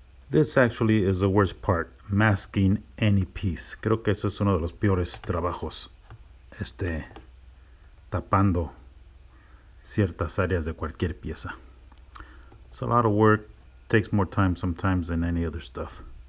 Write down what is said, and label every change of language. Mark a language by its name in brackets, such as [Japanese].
[English] This actually is the worst part, masking any piece. [Spanish] Creo que eso es uno de los peores trabajos, tapando ciertas áreas de cualquier pieza. [English] It's a lot of work, takes more time sometimes than any other stuff.